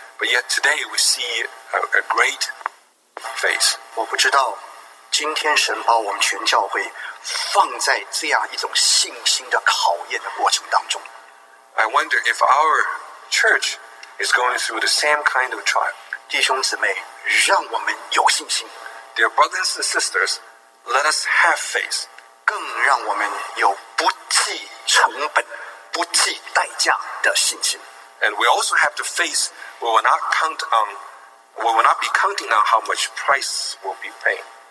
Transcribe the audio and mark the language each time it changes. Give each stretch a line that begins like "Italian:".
English: But yet today we see a great faith.
Chinese: 我不知道。今天神把我们全教会放在这样一种信心的考验的过程当中。
English: I wonder if our church is going through the same kind of trial.
Chinese: 弟兄姊妹，让我们有信心。
English: Dear brothers and sisters, let us have faith.
Chinese: 更让我们有不计成本、不计代价的信心。
English: And we also have the faith we will not count on, we will not be counting on how much price will be paid.